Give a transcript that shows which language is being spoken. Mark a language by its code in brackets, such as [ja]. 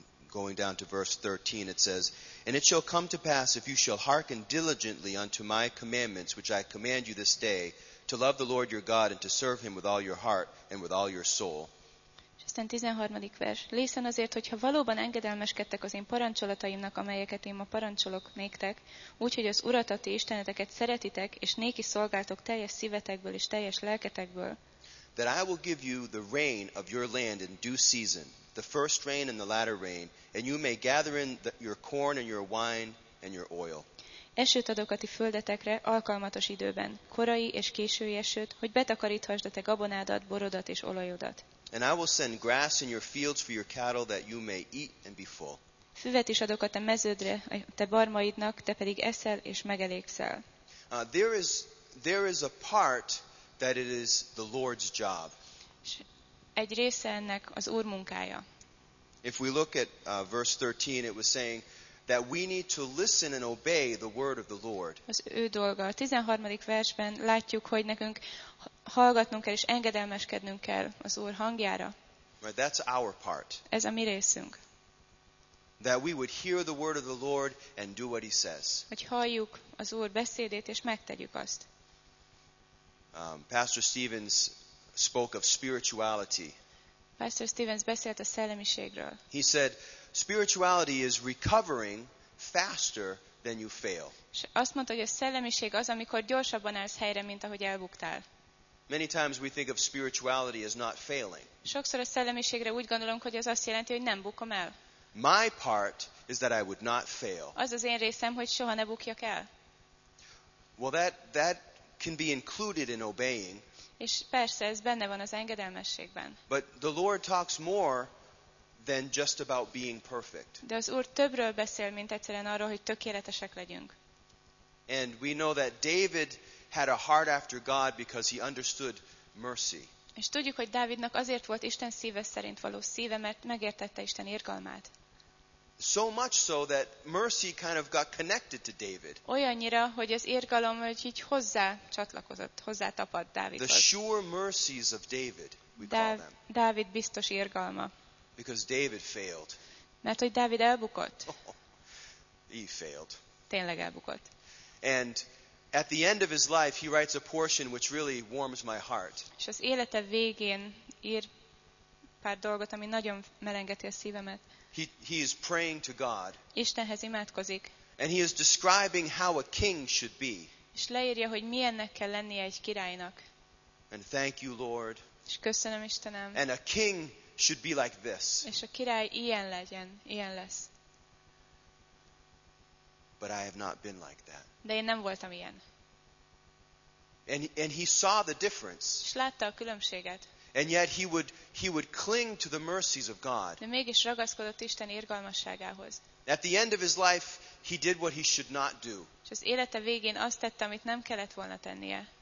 [en] Going down to verse 13, it says, and it shall come to pass, if you shall hearken diligently unto my commandments, which I command you this day, to love the Lord your God, and to serve him with all your heart and with all your soul. [hu] Aztán 13. vers. Lészen azért, hogyha valóban engedelmeskedtek az én parancsolataimnak, amelyeket én ma parancsolok néktek, úgyhogy az Urat, a ti Isteneteket szeretitek, és néki szolgáltok teljes szívetekből és teljes lelketekből. [en] That I will give you the rain of your land in due season, the first rain and the latter rain, and you may gather in your corn and your wine and your oil. [hu] Esőt adok a ti földetekre alkalmatos időben, korai és késői esőt, hogy betakaríthasd a te gabonádat, borodat és olajodat. [en] And I will send grass in your fields for your cattle that you may eat and be full. [hu] Füvet is adok a te meződre, a te barmaidnak, te pedig eszel és megelégszel. [en] There is a part that it is the Lord's job. [hu] Egy része ennek az Úr munkája. [en] If we look at verse 13, it was saying that we need to listen and obey the word of the Lord. [hu] Az ő dolga. A 13. versben látjuk, hogy nekünk hallgatnunk kell és engedelmeskednünk kell az Úr hangjára. [en] Right, that's our part. [hu] Ez a mi részünk. [en] That we would hear the word of the Lord and do what he says. [hu] Hogy halljuk az Úr beszédét és megtegyük azt. [en] Pastor Stevens spoke of spirituality. [hu] Pastor Stevens beszélt a szellemiségről. [en] He said, spirituality is recovering faster then you fail. [hu] És azt mondta, hogy a szellemiség az, amikor gyorsabban állsz helyre, mint ahogy elbuktál. [en] Many times we think of spirituality as not failing. [hu] Sokszor a szellemiségre úgy gondolunk, hogy ez azt jelenti, hogy nem bukom el. [en] My part is that I would not fail. [hu] Az az én részem, hogy soha ne bukjak el. [en] Well, that can be included in obeying. [hu] És persze ez benne van az engedelmességben. [en] But the Lord talks more than just about being perfect. [hu] De az Úr többről beszél, mint egyszerűen arról, hogy tökéletesek legyünk. [en] And we know that David had a heart after God because he understood mercy. [hu] És tudjuk, hogy Dávidnak azért volt Isten szíve szerint való szíve, mert megértette Isten irgalmát. [en] So much so that mercy kind of got connected to David. [hu] Olyannyira, hogy az irgalom így hozzá csatlakozott, hozzá tapadt Dávidhoz. [en] The sure mercies of David, we call them. [hu] Dávid biztos irgalma. [en] Because David failed. [hu] Mert hogy Dávid elbukott. [en] He failed. [hu] Tényleg elbukott. [en] And at the end of his life, he writes a portion which really warms my heart. [hu] És az élete végén ír pár dolgot, ami nagyon melengeti a szívemet. [en] He is praying to God. [hu] Istenhez imádkozik. [en] And he is describing how a king should be. [hu] És leírja, hogy milyennek kell lennie egy királynak. [en] And thank you, Lord. [hu] És köszönöm, Istenem. [en] And a king should be like this. [hu] És a király ilyen legyen, ilyen lesz. [en] But I have not been like that. [hu] De én nem voltam ilyen. [en] And he saw the difference. [hu] És látta a különbséget. [en] And yet he would cling to the mercies of God. [hu] De mégis ragaszkodott Isten irgalmasságához. [en] At the end of his life, he did what he should not do. [hu] És az élete végén azt tette, amit nem kellett volna tennie.